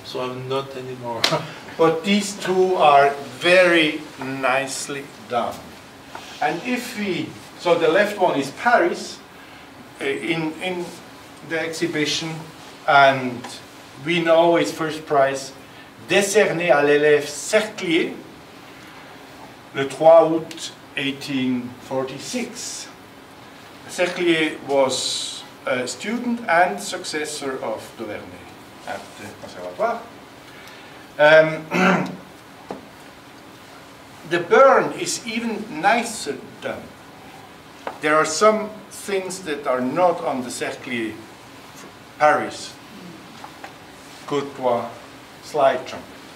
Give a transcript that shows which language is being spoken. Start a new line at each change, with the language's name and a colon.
English: So I'm not anymore. But these two are very nicely done. And if we. So the left one is Paris in the exhibition, and we know it's first prize.
French: Décerné à l'élève Cerclier, le 3 août 1846.
English: Cerclier was a student and successor of d'Auvernay at the Conservatoire. The Bern is even nicer done. There are some things that are not on the Cerclier Paris, courtois, slide trumpet.